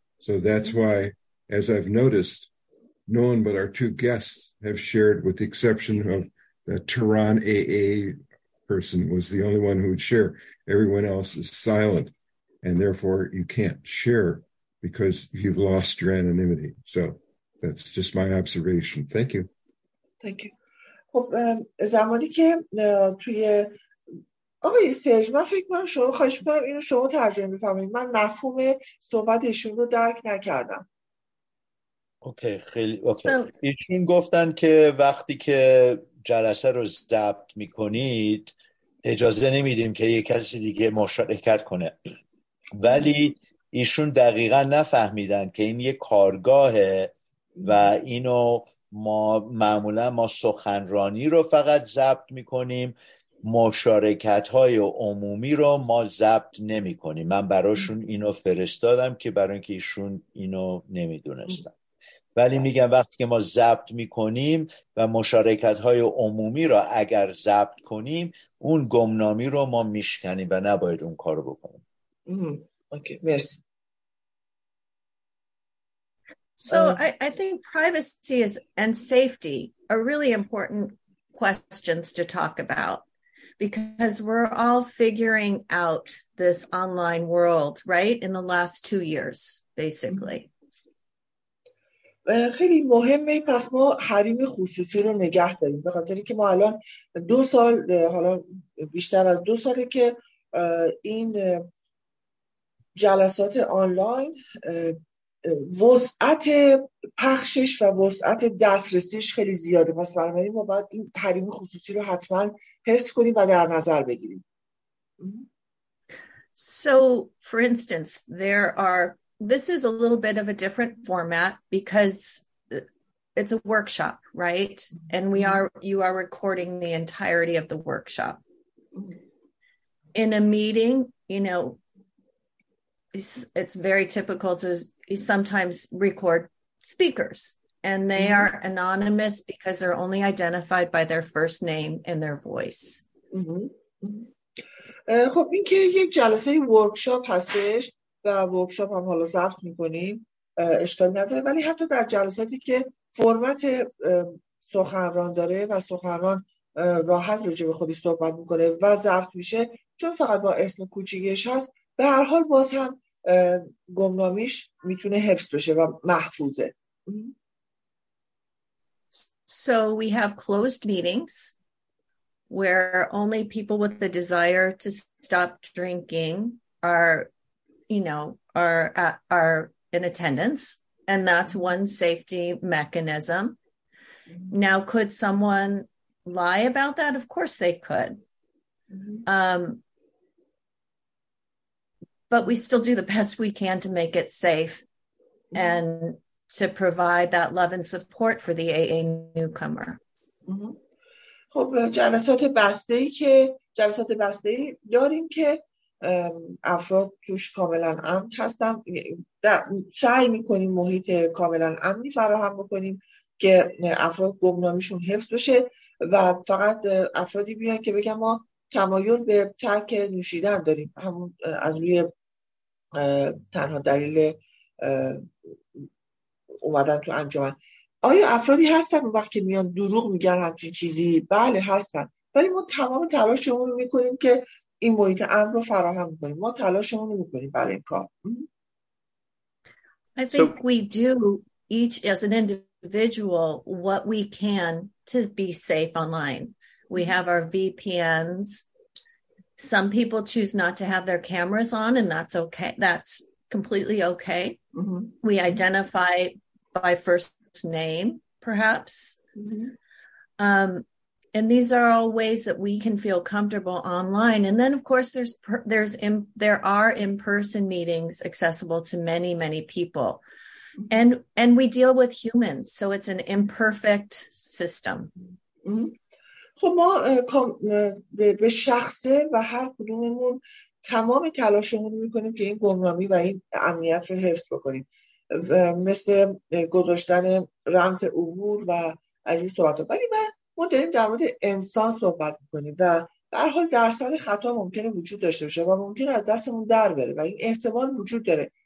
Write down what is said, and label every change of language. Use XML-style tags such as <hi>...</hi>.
<en>So that's why, as I've noticed, no one but our two guests have shared, with the exception of the Tehran AA person was the only one who would share. Everyone else is silent, and therefore you can't share because you've lost your anonymity. So that's just my observation. Thank you. Thank you.</en> <fa>خب زمانی که توی آقای سرژ، من فکر کنم شما، خواهش می‌کنم اینو شما ترجمه بفرمایید. من مفهوم صحبتشون رو درک نکردم. اوکی، خیلی اوکی. ایشون گفتن که وقتی که جلسه رو ضبط می‌کنید، اجازه نمی‌دیم که یک کسی دیگه مشارکت کنه. ولی ایشون دقیقا نفهمیدن که این یه کارگاهه و اینو ما معمولا ما سخنرانی رو فقط ضبط میکنیم مشارکت‌های عمومی رو ما ضبط نمی‌کنیم. من براشون اینو فرستادم که برای اینکه ایشون اینو نمی‌دونستن. ولی میگم وقتی که ما ضبط می‌کنیم و مشارکت‌های عمومی رو اگر ضبط کنیم، اون گمنامی رو ما می‌شکنیم و نباید اون کارو بکنیم. اوکی، مرسی.</fa> <en>So I think privacy is and safety are really important questions to talk about because we're all figuring out this online world, right? In the last 2 years, basically.</en> <fa>خیلی مهمه پس ما حریم خصوصی رو نگه داریم به خاطر اینکه ما الان 2 سال حالا بیشتر از 2 ساله که این جلسات آنلاین وسعت پخشش و وسعت دسترسیش خیلی زیاده. پس برامونی ما باید این حریم خصوصی رو حتما حفظ کنیم و در نظر بگیریم.</fa> <en>So, for instance, there are, this is a little bit of a different format because it's a workshop, right? And you are recording the entirety of the workshop. In a meeting, you know, it's very typical to sometimes record speakers and they mm-hmm. are anonymous because they're only identified by their first name and their voice.</en> <fa>خب این که یک جلسه ورکشاپ هستش و ورکشاپ هم حالا ضبط میکنیم اشکال نداره، ولی حتی در جلساتی که فرمت سخنران داره و سخنران راحت راجع به خودی صحبت میکنه و ضبط میشه، چون فقط با اسم کوچیکش هست، به هر حال باز هم گمنامیش میتونه حفظ بشه و محفوظه.</fa> <en>So we have closed meetings where only people with the desire to stop drinking are in attendance, and that's one safety mechanism. Now could someone lie about that? Of course they could. But we still do the best we can to make it safe and to provide that love and support for the AA newcomer.</en> <fa>خب جلسات بسته‌ای که جلسات بسته‌ای داریم که افراد توش کاملا امن هستن، سعی می‌کنیم محیط کاملا امنی فراهم بکنیم که افراد گمنامیشون حفظ بشه و فقط افرادی بیان که بگن ما تمایل به ترک نوشیدن داریم، همون از روی تنها دلیل اومدن تو انجمن. آیا افرادی هستن وقتی که میان دروغ میگن همچین چیزی؟ بله هستن، ولی ما تمام تلاشمون رو میکنیم که این محیط امن رو فراهم کنیم. ما تلاشمون رو میکنیم برای این کار.</fa> <en>I think we do each as an individual what we can to be safe online. We have our VPNs. Some people choose not to have their cameras on, and that's okay. That's completely okay. Mm-hmm. We identify by first name, perhaps. Mm-hmm. And these are all ways that we can feel comfortable online. And then, of course, there are in-person meetings accessible to many, many people. Mm-hmm. And we deal with humans, so it's an imperfect system. Mm-hmm.</en> <fa>خب ما به شخصه و هر کدوممون تمام تلاشمون رو میکنیم که این گمنامی و این امنیت رو حفظ بکنیم، مثل گذاشتن رمز عبور و اجور صحبت ها. ولی ما داریم در مورد انسان صحبت میکنیم و در حال درصد خطا ممکنه وجود داشته باشه و ممکنه از دستمون در بره و این احتمال وجود داره.</fa>